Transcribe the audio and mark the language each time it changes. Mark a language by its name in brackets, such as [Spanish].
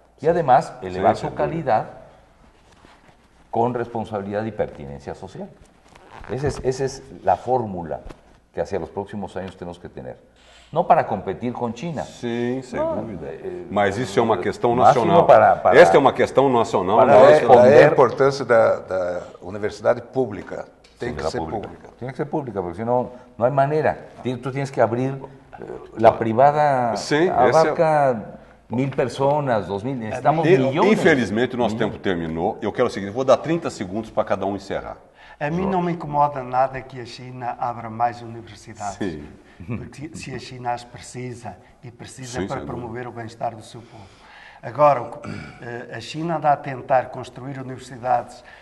[Spanish] Y además, elevar su calidad con responsabilidad y pertinencia social. Esa es la fórmula que hacia los próximos años tenemos que tener. No para competir con China. Sí, sin duda. [Portuguese] Mas isso é uma questão nacional. Esta é uma questão nacional. Para a importância da universidade pública. Tem que ser pública. [Spanish] Tiene que ser pública, [Portuguese] porque senão não há maneira. [Spanish] Tú tienes que abrir la privada. Sí, abarca 1000 personas, 2000. Necesitamos millones. [Portuguese] Infelizmente, nosso tempo terminou. Eu quero o seguinte: vou dar 30 segundos para cada encerrar. A mim não me incomoda nada que a China abra mais universidades. Sim. Porque se a China as precisa, e precisa para promover o bem-estar do seu povo. Agora, a China anda a tentar construir universidades